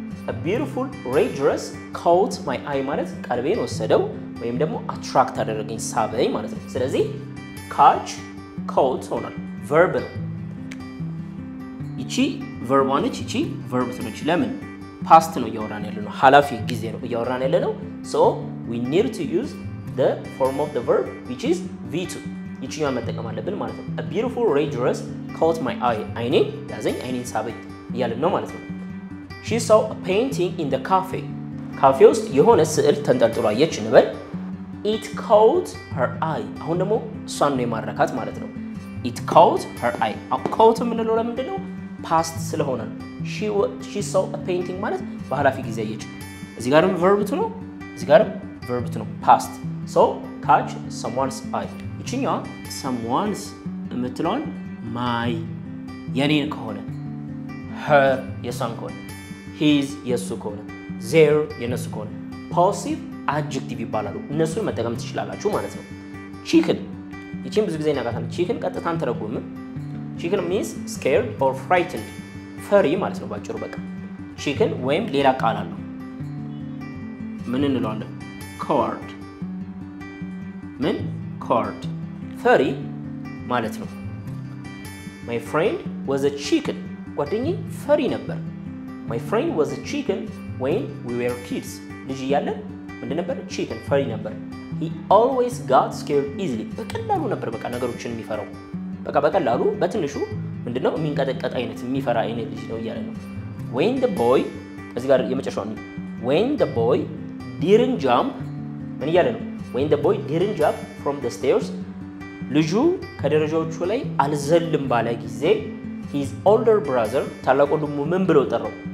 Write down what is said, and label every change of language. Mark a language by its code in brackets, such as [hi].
[en] a beautiful red dress caught my eye [am] ማለት ቀልቤን ወሰደው ወይም ደግሞ [en] attract [am] አደረገኝ ሳበኝ ማለት ነው. ስለዚህ catch caught ሆኗል verb ነው. ይቺ verb ነች ይቺ verb ነች. ለምን past ነው እያወራን ያለ ነው ሐላፊ ጊዜ ነው እያወራን ያለ ነው. [en] so we need to use the form of the verb which is v2 [am] ይቺኛው መጠቀም አለብን ማለት ነው. [en] a beautiful red dress caught my eye [am] አይኔ ያዘኝ አይኔን ሳበኝ እያልን ነው ማለት ነው. [en] she saw a painting in the cafe. [am] cafe ውስጥ የሆነ ስዕል ተንጠልጥሎ አየች ንበል. [en] it caught her eye [am] አሁን ደግሞ እሷን ነው የማረካት ማለት ነው. [en] it caught her eye caught [am] የምንለው ለምንድን ነው? past ስለሆነ ነው. [en] she saw a painting [am] ማለት በኋላፊ ጊዜ አየች. እዚህ ጋርም verb ት ነው እዚህ ጋርም verb ት ነው past. [en] so catch someone's eye [am] ይችኛዋ someone's የምትለውን my የኔን ከሆነ her የሷን ከሆነ his የሱ ከሆነ their የነሱ ከሆነ passive adjective ይባላሉ. እነሱን መጠቀም ትችላላችሁ ማለት ነው. chicken ይችን ብዙ ጊዜ እናቃታለን. chicken ቀጥታን ተረጉም [en] chicken means scared or frightened [am] ፈሪ ማለት ነው ባጭሩ. በቃ chicken ወይም ሌላ ቃል አለው ምን እንለዋለን? coward ምን coward ፈሪ ማለት ነው. [en] my friend was a chicken [am] ጓደኛዬ ፈሪ ነበር. [en] my friend was a chicken when we were kids [am] ልጅ ያለ ምንድን ነበር? ቺክን ፈሪ ነበር። [en] He always got scared easily. [am] በቀላሉ ነበር በቃ ነገሮችን የሚፈራው። በቃ በቀላሉ በትንሹ ምንድነው የሚንቀጠቀጥ አይነት የሚፈራ አይነት ልጅ ነው ያለ ነው። When the boy እዚህ ጋር የመጨረሻው ነው። [en] When the boy didn't jump [am] ምን ያለ ነው? [en] When the boy didn't jump from the stairs [am] ልጁ ከደረጃዎቹ ላይ አልዘልም ባለ ጊዜ [en] his older brother [am] ታላቁ ወንድሙ ምን ብሎ ጠራው?